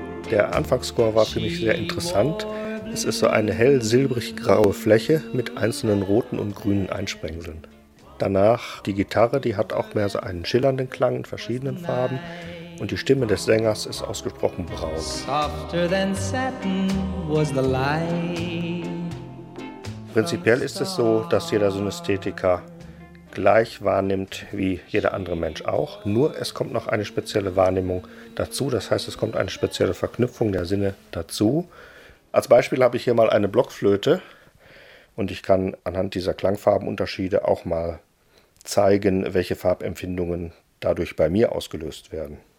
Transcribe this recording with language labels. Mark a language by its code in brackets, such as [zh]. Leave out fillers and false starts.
[de] Der Anfangsscore war für mich sehr interessant. Es ist so eine hell silbrig-graue Fläche mit einzelnen roten und grünen Einsprengseln. Danach die Gitarre, die hat auch mehr so einen schillernden Klang in verschiedenen Farben. Und die Stimme des Sängers ist ausgesprochen braun. [en] Softer than satin was the light. [de] Prinzipiell ist es so, dass jeder Synästhetiker gleich wahrnimmt wie jeder andere Mensch auch. Nur es kommt noch eine spezielle Wahrnehmung dazu. Das heißt, es kommt eine spezielle Verknüpfung der Sinne dazu. Als Beispiel habe ich hier mal eine Blockflöte. Und ich kann anhand dieser Klangfarbenunterschiede auch mal zeigen, welche Farbempfindungen dadurch bei mir ausgelöst werden.